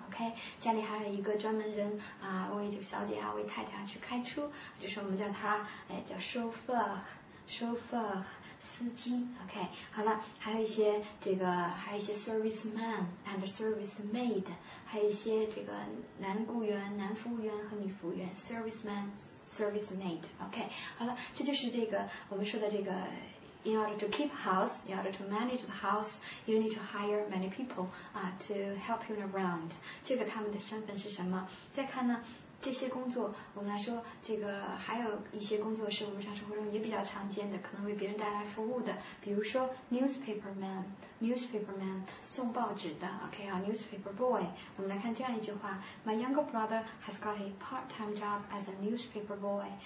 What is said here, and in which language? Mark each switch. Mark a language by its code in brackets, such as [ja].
[zh] OK， 家里还有一个专门人啊，为这个小姐啊，为太太啊去开车，就是我们叫他，哎，叫 chauffeur 司机。 OK， 好了，还有一些这个，还有一些 [en] serviceman and servicemaid， [zh] 还有一些这个男雇员、男服务员和女服务员 ，serviceman、servicemaid。 OK， 好了，这就是这个我们说的这个。 [en] In order to keep house, in order to manage the house, you need to hire many people, to help you around. [zh] 这个他们的身份是什么？再看呢，这些工作，我们来说，这个还有一些工作是我们常生活中也比较常见的，可能为别人带来服务的，比如说 newspaperman, 送报纸的 ，okay, [en] a newspaper boy. [zh] 我们来看这样一句话 [en] ：My younger brother has got a part-time job as a newspaper boy.